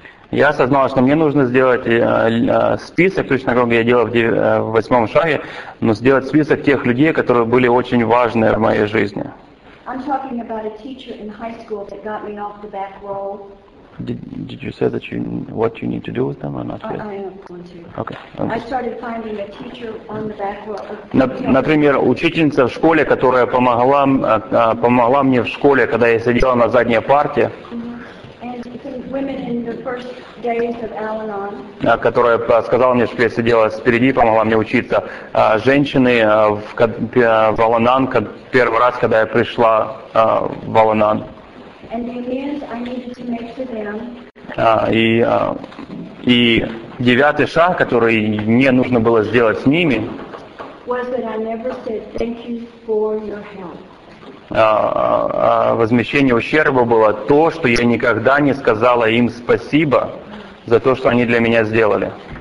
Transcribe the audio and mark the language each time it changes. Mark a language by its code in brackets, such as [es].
[ru] Я осознала, что мне нужно сделать список, точно как я делал в восьмом шаге, но сделать список тех людей, которые были очень важны в моей жизни. [en] I'm talking about a teacher in high school that got me off the back row. Did you say that you what you need to do with them or not? I am going to. Okay. I started finding a teacher on the back row. [ru] Например, учительница в школе, которая помогла мне в школе, когда я сидела на задней парте. [en] And some women in the first days of Al-Anon. [ru] Которая сказала мне, что я сидела спереди, помогла мне учиться. Женщины в Al-Anon, первый раз, когда я пришла в Al-Anon. [en] And the amends I needed to make to them. [ru] И девятый шаг, который мне нужно было сделать с ними. [en] Was that I never said thank you for your help. [ru] Возмещение ущерба было то, что я никогда не сказала им спасибо за то, что они для меня сделали.